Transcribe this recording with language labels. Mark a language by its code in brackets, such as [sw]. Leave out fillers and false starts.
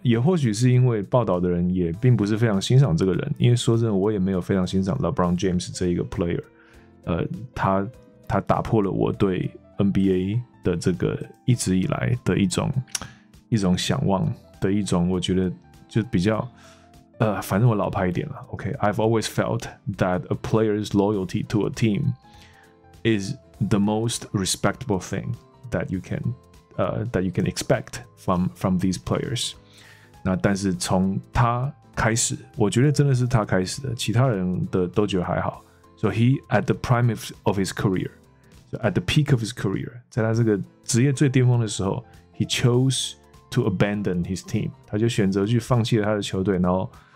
[zh] 那也或许是因为报道的人也并不是非常欣赏这个人，因为说真的，我也没有非常欣赏 LeBron James 这一个 player。他打破了我对 NBA 的这个一直以来的一种向往的一种，我觉得就比较。反正我老派一点了。 [en] OK, I've always felt that a player's loyalty to a team is the most respectable thing that you can expect from these players. [zh] 那但是从他开始，我觉得真的是他开始的，其他人的都觉得还好。 [en] So he at the prime of his career, so at the peak of his career, [zh] 在他这个职业最巅峰的时候 [en] ，he chose to abandon his team. [zh] 他就选择去放弃了他的球队，然后。